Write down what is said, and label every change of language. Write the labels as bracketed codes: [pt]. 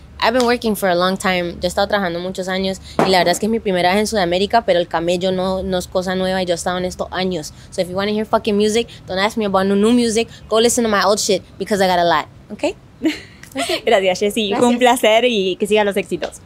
[en] I've been working for a long time, [es] yo he estado trabajando muchos años y la verdad es que es mi primera vez en Sudamérica, pero el camello no es cosa nueva y yo he estado en esto años. [en] So if you want to hear fucking music, don't ask me about new music, go listen to my old shit because I got a lot, okay? [es] Gracias, Jessy, fue un placer y que sigan los éxitos.